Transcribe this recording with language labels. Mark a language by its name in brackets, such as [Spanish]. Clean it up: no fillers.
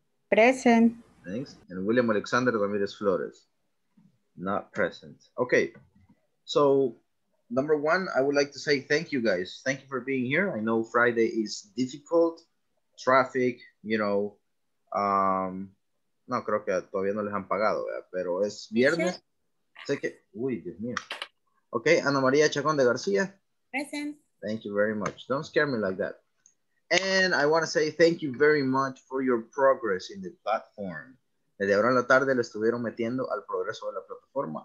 [English] Present. Thanks. And William Alexander Ramirez Flores. Not present. Okay. So, number one, I would like to say thank you, guys. Thank you for being here. I know Friday is difficult. Traffic, you know. [Spanish] No, creo que todavía no les han pagado, pero es viernes. Sé que, uy, Dios mío. Okay, Ana María Chacón de García. [English] Present. Thank you very much. Don't scare me like that. And I want to say thank you very much for your progress in the platform. [Spanish] Desde ahora en la tarde le estuvieron metiendo al progreso de la plataforma.